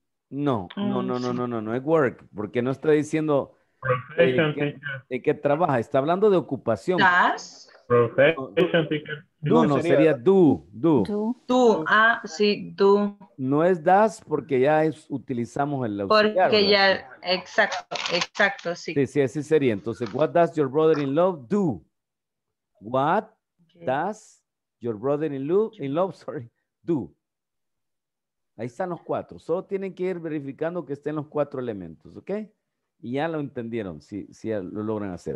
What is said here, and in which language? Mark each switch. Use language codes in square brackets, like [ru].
[es] No, no, no, no, no, no, no es work, porque no está diciendo de qué trabaja, está hablando de ocupación. ¿Das? [en] Profession teacher. [es] No, no, sería do. Tú, ah, sí, do. No es das porque ya es, utilizamos el auxiliar. Porque ya, exacto, sí. Sí, sí, así sería. [en] Entonces, what does your brother in law do? What does your brother in law, sorry, do? [es] Ahí están los cuatro. Solo tienen que ir verificando que estén los cuatro elementos, ¿ok? Y ya lo entendieron, si ya lo logran hacer.